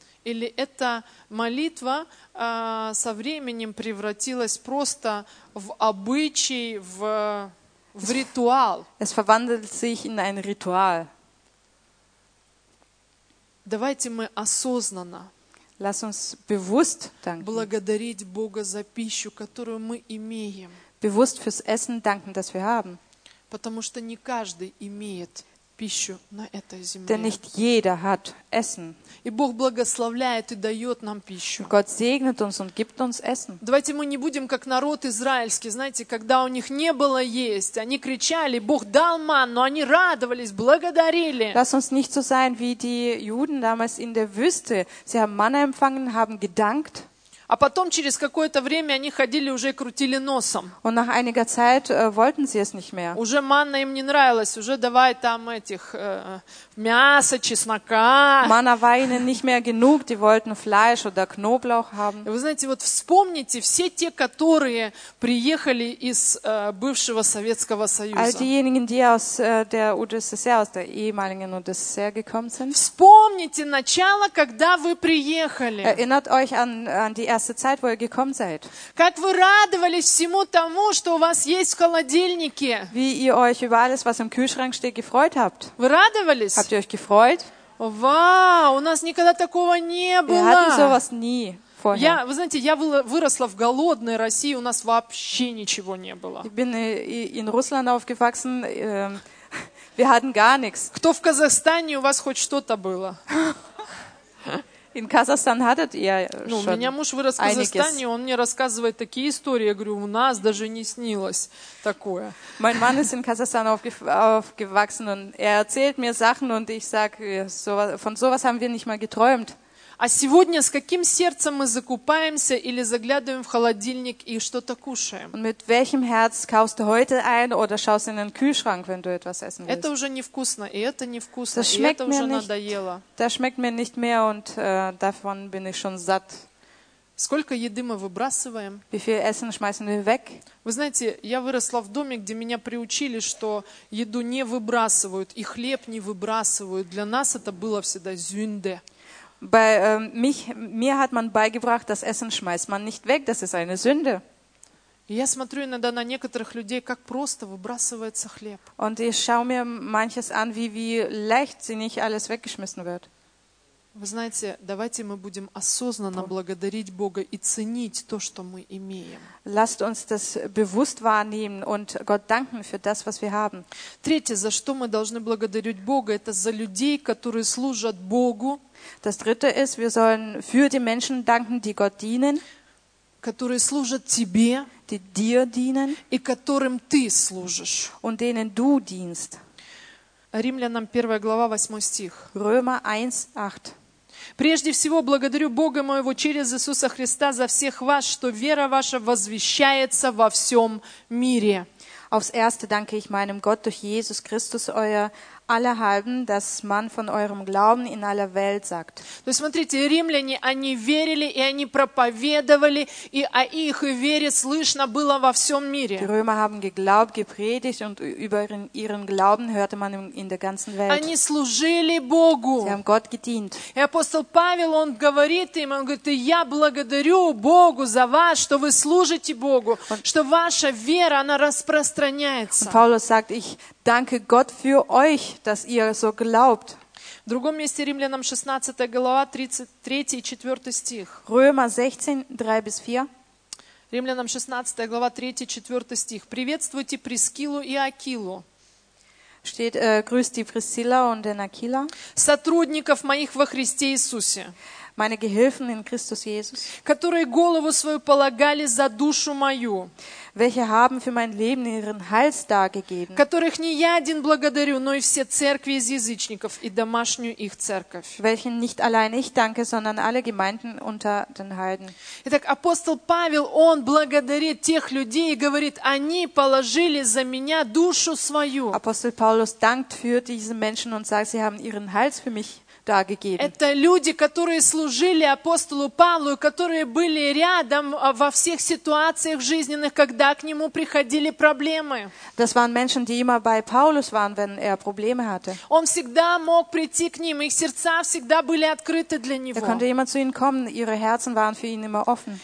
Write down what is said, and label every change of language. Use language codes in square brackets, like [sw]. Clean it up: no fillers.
[ru] Или эта молитва со временем превратилась просто в обычай, в ритуал. [de] Es verwandelt sich in ein Ritual. [ru] Давайте мы осознанно. [de] Lass uns bewusst danken. [ru] Благодарить Бога за пищу, которую мы имеем. [de] Bewusst fürs Essen danken, das wir haben. [ru] Потому что не каждый имеет пищу на этой земле. [de] Denn nicht jeder hat Essen. [ru] И Бог благословляет и дает нам пищу. [de] Gott segnet uns und gibt uns Essen. [ru] Давайте мы не будем как народ израильский, знаете, когда у них не было есть, они кричали: Бог дал ман, но они радовались, благодарили. [de] Lass uns nicht so sein wie die Juden damals in der Wüste. Sie haben Manna empfangen, haben gedankt. [ru] А потом через какое-то время они ходили уже крутили носом. [de] Und nach einiger Zeit wollten sie es nicht mehr. [ru] Уже манна им не нравилась, уже давай там этих мяса, чеснока. [de] Манна war ihnen nicht mehr genug, die wollten Fleisch oder Knoblauch haben. [ru] Вы знаете, вот вспомните все те, которые приехали из бывшего Советского Союза. [de] All diejenigen, die aus der UdSSR, aus der ehemaligen UdSSR gekommen sind. [ru] Вспомните начало, когда вы приехали. [de] Erinnert euch an die erste Zeit, wo ihr gekommen seid. [ru] Как вы радовались всему тому, что у вас есть в холодильнике? [de] Wie ihr euch über alles, was im Kühlschrank steht, gefreut habt. [ru] Вы радовались? [de] Habt ihr euch gefreut? [ru] Wow, у нас никогда такого не было. [de] Wir hatten sowas nie vorher. [ru] Вы знаете, я выросла в голодной России, у нас вообще ничего не было. [de] Ich bin in Russland aufgewachsen, wir hatten gar nichts. [ru] Кто в Казахстане, у вас хоть что-то было? [de] In Kasachstan hattet ihr [ru] ну, [de] schon [ru] меня муж вырос в Казахстане, [de] einiges. [ru] Он мне рассказывает такие истории, я говорю, у нас даже не снилось такое. [de] Mein Mann ist in Kasachstan aufgewachsen und erzählt mir Sachen und ich sag, von sowas haben wir nicht mal geträumt. [ru] А сегодня с каким сердцем мы закупаемся или заглядываем в холодильник и что-то кушаем? [de] Und mit welchem Herz kaufst du heute ein oder schaust in den Kühlschrank, wenn du etwas essen willst? [ru] Это уже невкусно, и это невкусно, и это уже надоело. [de] Das schmeckt mir nicht mehr und davon bin ich schon satt. [ru] Сколько еды мы выбрасываем? [de] Wie viel Essen schmeißen wir weg? [ru] Вы знаете, я выросла в доме, где меня приучили, что еду не выбрасывают и хлеб не выбрасывают. Для нас это было всегда Sünde. [de] Bei mir hat man beigebracht, das Essen schmeißt man nicht weg, das ist eine Sünde. [ru] Я смотрю иногда на некоторых людей, как просто выбрасывается хлеб. [de] Und ich schaue mir manches an, wie leichtsinnig alles weggeschmissen wird. [ru] Вы знаете, давайте мы будем осознанно благодарить Бога и ценить то, что мы имеем. [de] Lasst uns das bewusst wahrnehmen und Gott danken für das, was wir haben. [ru] Третье, за что мы должны благодарить Бога, это за людей, которые служат Богу. [de] Das dritte ist, wir sollen für die Menschen danken, die Gott dienen, [ru] которые служат тебе, [de] die dir dienen, [ru] и которым ты служишь, [de] und denen du dienst. [ru] Римлянам 1 глава 8 стих. [de] Römer 1, 8. [ru] Прежде всего благодарю Бога моего через Иисуса Христа за всех вас, что вера ваша возвещается во всем мире. [de] Aufs Erste danke ich meinem Gott durch Jesus Christus euer Allerhalben, dass man von eurem Glauben in aller Welt sagt. [ru] То есть, смотрите, римляне, они верили и они проповедовали, и о их вере слышно было во всем мире. [de] Die Römer haben geglaubt, gepredigt und über ihren Glauben hörte man in der ganzen Welt. [ru] Они служили Богу. [de] Sie haben Gott gedient. [ru] И апостол Павел, он говорит им, он говорит, я благодарю Богу за вас, что вы служите Богу, что ваша вера, она распространяется. [de] Und Paulus sagt, ich danke Gott für euch, dass ihr so glaubt. [ru] В другом месте Римлянам 16 глава 33 и 4 стих. [de] Römer 16, 3 bis 4. [ru] Римлянам 16 глава 3 и 4 стих. Приветствуйте Прискилу и Акилу. [de] steht grüß die Priscilla und den Aquila. [ru] Сотрудников моих во Христе Иисусе. [de] Meine Gehilfen in Christus Jesus. [ru] Которые голову свою полагали за душу мою. [de] Welche haben für mein Leben ihren Hals dargegeben. [ru] Которых не я один благодарю, но и все церкви из язычников и домашнюю их церковь. [de] Welchen nicht allein ich danke, sondern alle Gemeinden unter den Heiden. [ru] Итак, апостол Павел, он благодарит тех людей и говорит, они положили за меня душу свою. Апостол [de] Павлус dankt für diese Menschen und sagt, sie haben ihren Hals für mich dargegeben. [ru] Это люди, которые служили апостолу Павлу, которые были рядом во всех ситуациях жизненных, когда к нему приходили проблемы. [de] Das waren Menschen, die immer bei Paulus waren, wenn er Probleme hatte. [ru] Он всегда мог прийти к ним, их сердца всегда были открыты для него. [de] Er konnte immer zu ihnen kommen, ihre Herzen waren für ihn immer offen.